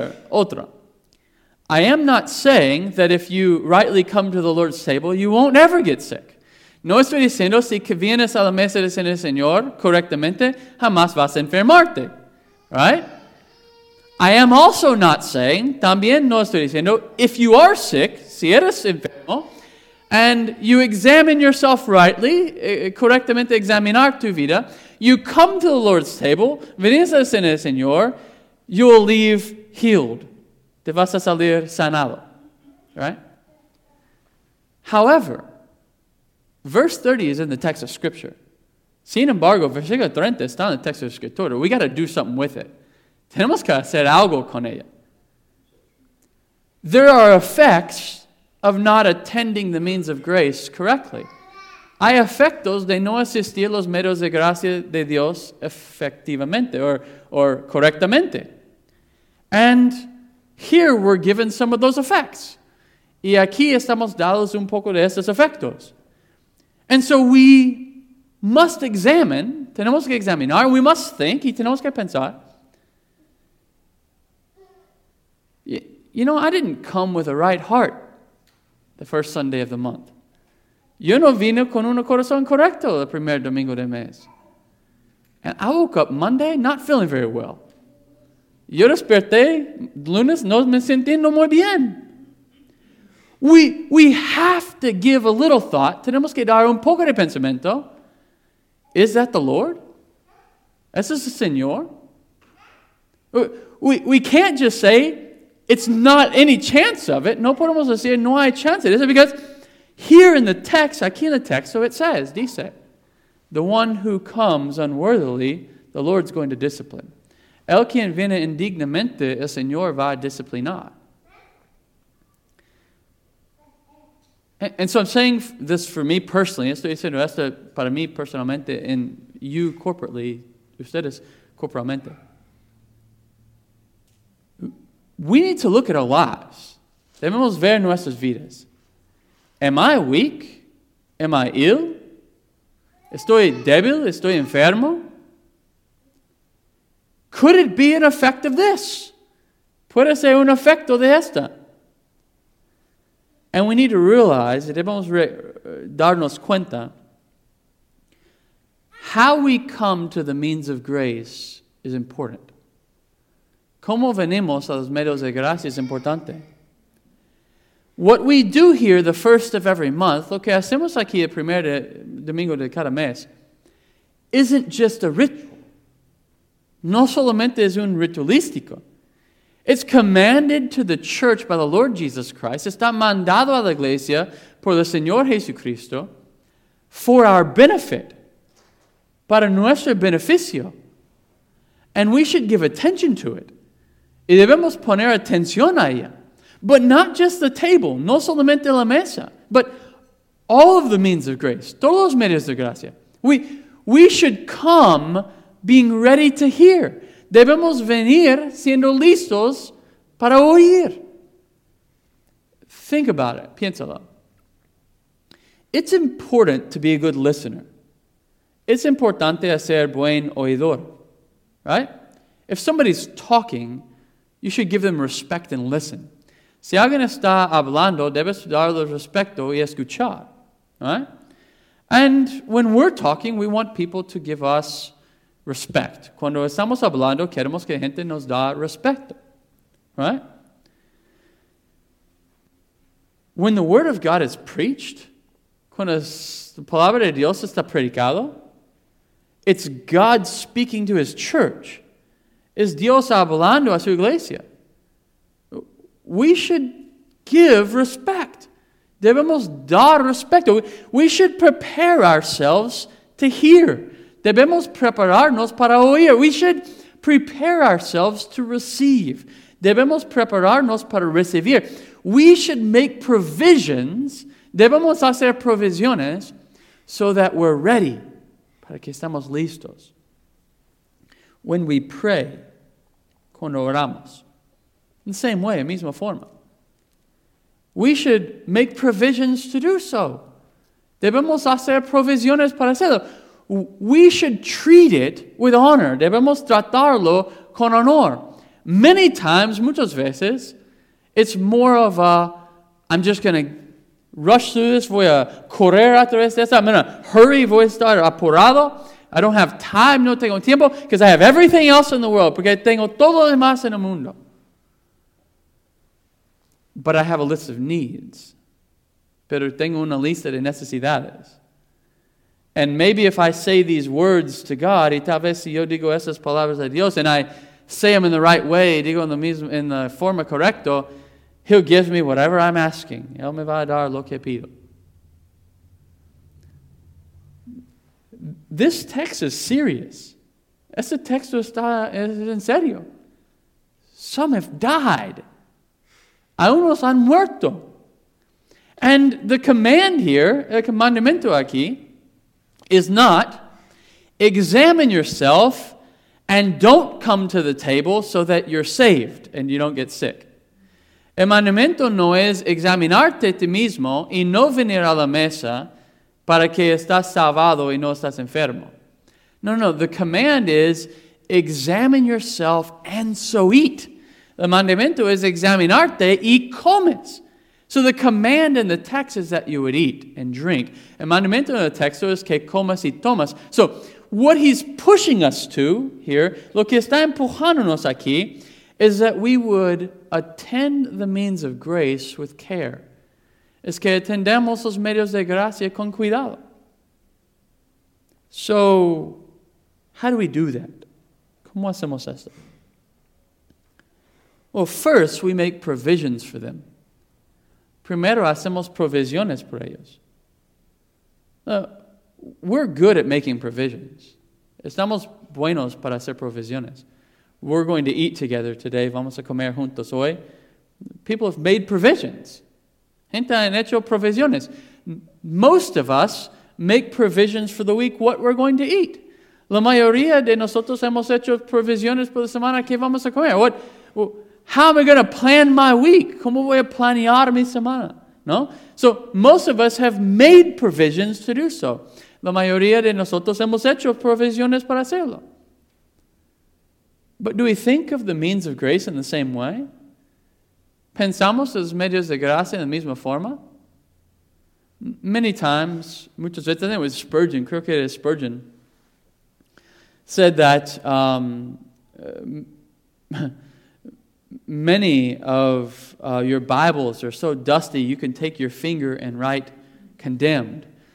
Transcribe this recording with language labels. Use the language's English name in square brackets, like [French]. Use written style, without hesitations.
[Spanish] Otra. [English] I am not saying that if you rightly come to the Lord's table, you won't ever get sick. [Spanish] No estoy diciendo si que vienes a la mesa de cena del Señor correctamente, jamás vas a enfermarte. [English] Right? I am also not saying, [Spanish] también no estoy diciendo, [English] if you are sick, [Spanish] si eres enfermo, [English] and you examine yourself rightly, [Spanish] correctamente examinar tu vida, [English] you come to the Lord's table, [Spanish] vienes a la cena del Señor, [English] you will leave healed. [Spanish] Te vas a salir sanado. [English] Right? However, verse 30 is in the text of Scripture. [Spanish] Sin embargo, versículo 30 está en el texto de Escritura. [English] We got to do something with it. [Spanish] Tenemos que hacer algo con ella. [English] There are effects of not attending the means of grace correctly. [Spanish] Hay efectos de no asistir los medios de gracia de Dios efectivamente or correctamente. [English] And here we're given some of those effects. [Spanish] Y aquí estamos dados un poco de esos efectos. [English] And so we must examine, [Spanish] tenemos que examinar, [English] we must think, [Spanish] y tenemos que pensar. [English] You know, I didn't come with a right heart the first Sunday of the month. [Spanish] Yo no vine con un corazón correcto el primer domingo de mes. [English] And I woke up Monday not feeling very well. [Spanish] Yo desperté lunes no me sintiendo muy bien. [English] We have to give a little thought. [Spanish] Tenemos que dar un poco de pensamiento. [English] Is that the Lord? [Spanish] Ese es el Señor? [English] We can't just say it's not any chance of it. [Spanish] No podemos decir no hay chance. [English] Is it because here in the text, [Spanish] aquí en el texto, [English] it says, [Spanish] dice, [English] the one who comes unworthily, the Lord's going to discipline. [Spanish] El quien viene indignamente, el Señor va a disciplinar. [English] And so I'm saying this for me personally, [Spanish] estoy diciendo esto para mí personalmente, [English] and you corporately, [Spanish] ustedes corporalmente. [English] We need to look at our lives. [Spanish] Debemos ver nuestras vidas. [English] Am I weak? Am I ill? [Spanish] Estoy débil? Estoy enfermo? [English] Could it be an effect of this? [Spanish] Puede ser un efecto de esta. [English] And we need to realize, [Spanish] debemos darnos cuenta, [English] how we come to the means of grace is important. [Spanish] ¿Cómo venimos a los medios de gracia es importante? [English] What we do here the first of every month, [Spanish] lo que hacemos aquí el primer domingo de cada mes, [English] isn't just a ritual. [Spanish] No solamente es un ritualístico. [English] It's commanded to the church by the Lord Jesus Christ. [Spanish] Está mandado a la iglesia por el Señor Jesucristo [English] for our benefit, [Spanish] para nuestro beneficio. [English] And we should give attention to it. [Spanish] Y debemos poner atención a ella. [English] But not just the table, [Spanish] no solamente la mesa, [English] but all of the means of grace, [Spanish] todos los medios de gracia. [English] We should come being ready to hear. [Spanish] Debemos venir siendo listos para oír. [English] Think about it, [Spanish] piénsalo. [English] It's important to be a good listener. It's [Spanish] importante ser buen oidor, [English] right? If somebody's talking, you should give them respect and listen. [Spanish] Si alguien está hablando, debes darle respeto y escuchar, [English] right? And when we're talking, we want people to give us respect. [Spanish] Cuando estamos hablando, queremos que la gente nos da respeto, [English] right? When the Word of God is preached, [Spanish] cuando la palabra de Dios está predicado, [English] it's God speaking to His church. [Spanish] Es Dios hablando a su iglesia. [English] We should give respect. [Spanish] Debemos dar respeto. [English] We should prepare ourselves to hear. [Spanish] Debemos prepararnos para oír. [English] We should prepare ourselves to receive. [Spanish] Debemos prepararnos para recibir. [English] We should make provisions. [Spanish] Debemos hacer provisiones [English] so that we're ready. [Spanish] Para que estamos listos. [English] When we pray, [Spanish] cuando oramos. [English] In the same way, [Spanish] misma forma. [English] We should make provisions to do so. [Spanish] Debemos hacer provisiones para hacerlo. [English] We should treat it with honor. [Spanish] Debemos tratarlo con honor. [English] Many times, [Spanish] muchas veces, [English] it's more of a, I'm just going to rush through this, [Spanish] voy a correr a través de esta, [English] I'm going to hurry, [Spanish] voy a estar apurado. [English] I don't have time, [Spanish] no tengo tiempo, [English] because I have everything else in the world, [Spanish] porque tengo todo lo demás en el mundo. [English] But I have a list of needs. [Spanish] Pero tengo una lista de necesidades. [English] And maybe if I say these words to God, [Spanish] y tal vez si yo digo esas palabras a Dios, [English] and I say them in the right way, [Spanish] digo en la forma correcta, [English] He'll give me whatever I'm asking. [Spanish] Él me va a dar lo que pido. [English] This text is serious. [Spanish] Este texto es en serio. [English] Some have died. [Spanish] Algunos han muerto. [English] And the command here, [Spanish] el comandamiento aquí, [English] is not examine yourself and don't come to the table so that you're saved and you don't get sick. [Spanish] El mandamiento no es examinarte a ti mismo y no venir a la mesa para que estás salvado y no estás enfermo. [English] No, no, the command is examine yourself and so eat. [Spanish] El mandamiento es examinarte y comes. [English] So the command in the text is that you would eat and drink. [Spanish] El mandamiento en el texto es que comas y tomas. [English] So what he's pushing us to here, [Spanish] lo que está empujándonos aquí, [English] is that we would attend the means of grace with care. [Spanish] Es que atendemos los medios de gracia con cuidado. [English] So, how do we do that? [Spanish] ¿Cómo hacemos esto? [English] Well, first, we make provisions for them. [Spanish] Primero, hacemos provisiones por ellos. [English] We're good at making provisions. [Spanish] Estamos buenos para hacer provisiones. [English] We're going to eat together today. [Spanish] Vamos a comer juntos hoy. [English] People have made provisions. [Spanish] Gente han hecho provisiones. [English] Most of us make provisions for the week what we're going to eat. [Spanish] La mayoría de nosotros hemos hecho provisiones por la semana que vamos a comer. [English] What? Well, how am I going to plan my week? [Spanish] ¿Cómo voy a planear mi semana? No? [English] So most of us have made provisions to do so. [Spanish] La mayoría de nosotros hemos hecho provisiones para hacerlo. [English] But do we think of the means of grace in the same way? [Spanish] ¿Pensamos los medios de gracia en la misma forma? [English] Many times, [Spanish] muchas veces, [English] I think it was Spurgeon, [Spanish] creo que era Spurgeon, [English] said that many of your Bibles are so dusty you can take your finger and write condemned.